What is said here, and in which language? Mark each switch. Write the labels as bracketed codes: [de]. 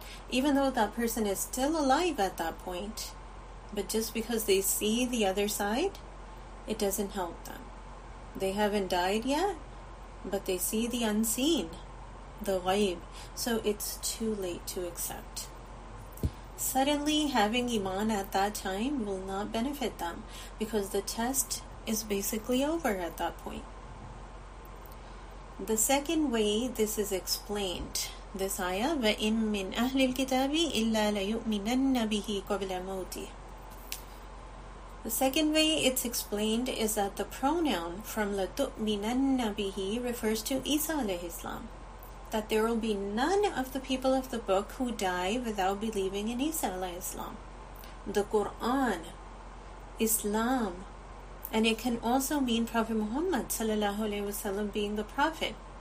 [en] Even though that person is still alive at that point, but just because they see the other side, it doesn't help them. They haven't died yet, but they see the unseen, the ghaib, so it's too late to accept. Suddenly, having iman at that time will not benefit them because the test is basically over at that point. The second way this is explained, this ayah, [ar] وَإِن مِّنْ أَهْلِ الْكِتَابِ إِلَّا لَيُؤْمِنَنَّ بِهِ قَبْلَ مَوْتِهِ. [en] The second way it's explained is that the pronoun from [ar] لَتُؤْمِنَنَّ بِهِ [en] refers to Isa alayhi salam, that there will be none of the people of the book who die without believing in Isa alayhi salam. The Quran, Islam, and it can also mean Prophet Muhammad sallallahu alayhi wasallam being the prophet.